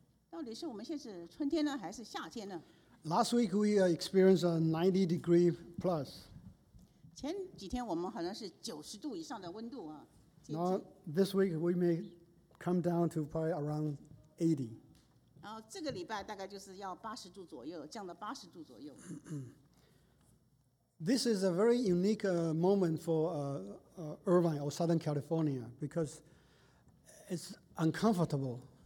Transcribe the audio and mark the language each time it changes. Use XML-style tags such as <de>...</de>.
<zh>到底是我们现在是春天呢，还是夏天呢？</zh> <en>Last week we experienced a 90 degree plus.</en> <zh>前几天我们好像是90度以上的温度啊。</zh> <en>Now this week we may come down to probably around 80.</en> <zh>然后这个礼拜大概就是要80度左右，降到80度左右。</zh> <en>This is a very unique moment for Irvine or Southern California because it's uncomfortable.</en>